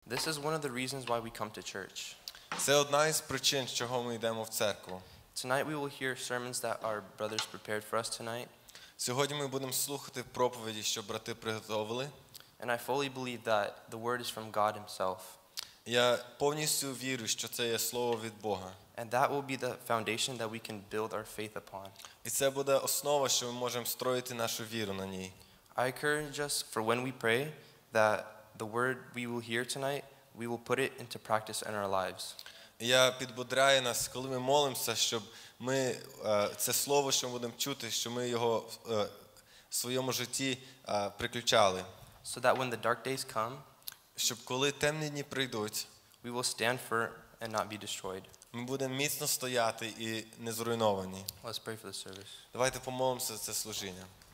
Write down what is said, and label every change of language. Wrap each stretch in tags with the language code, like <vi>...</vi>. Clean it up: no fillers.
<en>This is one of the reasons why we come to church.</en> <uk>Це одна із причин, чого ми йдемо в церкву.</uk> <en>Tonight we will hear sermons that our brothers prepared for us tonight.</en> <uk>Сьогодні ми будемо слухати проповіді, що брати приготовили.</uk> <en>And I fully believe that the word is from God himself.</en> <uk>Я повністю вірю, що це є слово від Бога.</uk> <en>And that will be the foundation that we can build our faith upon.</en> <uk>І це буде основа, що ми можемо строїти нашу віру на ній.</uk> <en>I encourage us for when we pray that the word we will hear tonight, we will put it into practice in our lives.</en> <uk>Я підбудраю нас, коли ми молимося, щоб ми це слово, що ми будемо чути, що ми його в своєму житті приключали.</uk> <en>So that when the dark days come,</en> <uk>щоб коли темні дні прийдуть,</uk> <en>we will stand firm and not be destroyed.</en> <uk>Ми будемо міцно стояти і не зруйновані.</uk> <en>Let's pray for the service.</en> <uk>Давайте помолимося за це служіння.</uk>